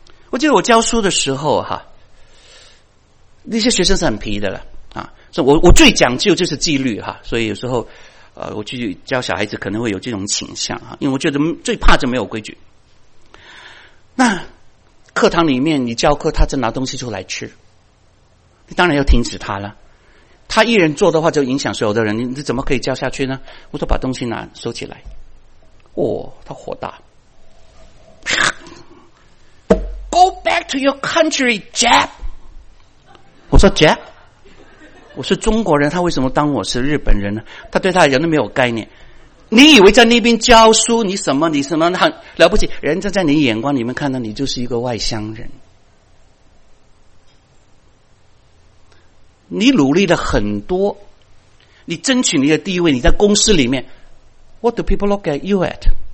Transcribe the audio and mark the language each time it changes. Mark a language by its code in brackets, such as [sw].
[zh] 我记得我教书的时候哈，那些学生是很皮的了啊，所以我最讲究就是纪律哈，所以有时候我去教小孩子可能会有这种倾向哈，因为我觉得最怕就没有规矩。那课堂里面你教课，他就拿东西出来吃，你当然要停止他了，他一人做的话就影响所有的人，你怎么可以教下去呢？我说把东西拿收起来。哦，他火大， [en] Go back to your country, Jap。 [zh] 我说 Jap， 我是中国人，他为什么当我是日本人呢？他对他人都没有概念，你以为在那边教书你什么很了不起，人家在你眼光里面看到你就是一个外乡人，你努力了很多，你争取你的地位，你在公司里面 [en] What do people look at you at？